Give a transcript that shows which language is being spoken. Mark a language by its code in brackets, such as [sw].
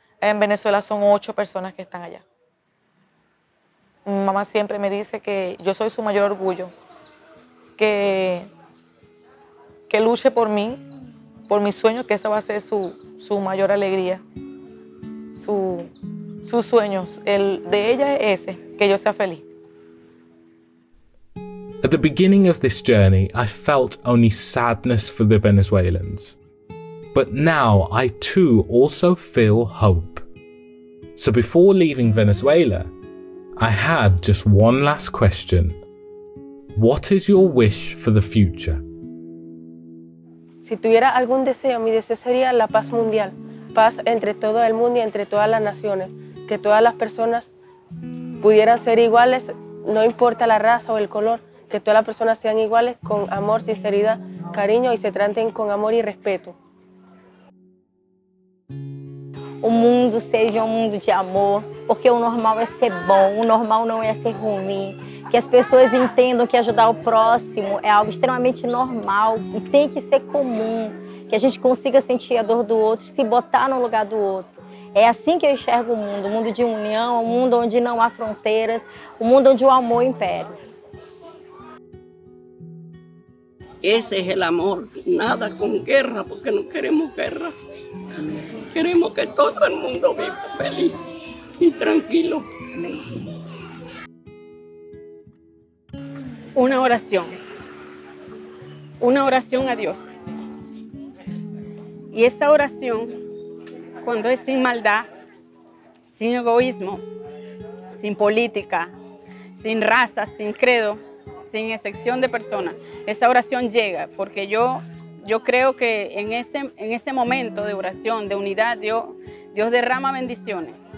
[es] En Venezuela son 8 personas que están allá. Mi mamá siempre me dice que yo soy su mayor orgullo, que luche por mí, por mis sueños, que esa va a ser su mayor alegría, sus sueños. El de ella es ese, que yo sea feliz. [en] At the beginning of this journey, I felt only sadness for the Venezuelans. But now I too also feel hope. So before leaving Venezuela, I had just one last question. What is your wish for the future? [es] Si tuviera algún deseo, mi deseo sería la paz mundial. Paz entre todo el mundo y entre todas las naciones. Que todas las personas pudieran ser iguales, no importa la raza o el color, que todas las personas sean iguales con amor, sinceridad, cariño y se traten con amor y respeto. [pt] O mundo seja um mundo de amor, porque o normal é ser bom, o normal não é ser ruim. Que as pessoas entendam que ajudar o próximo é algo extremamente normal e tem que ser comum. Que a gente consiga sentir a dor do outro e se botar no lugar do outro. É assim que eu enxergo o mundo de união, um mundo onde não há fronteiras, um mundo onde o amor impere. Esse é o amor, nada com guerra, porque não queremos guerra. [es] Queremos que todo el mundo viva feliz y tranquilo. Una oración a Dios. Y esa oración, cuando es sin maldad, sin egoísmo, sin política, sin raza, sin credo, sin excepción de persona, esa oración llega porque yo creo que en ese momento de oración, de unidad, Dios derrama bendiciones.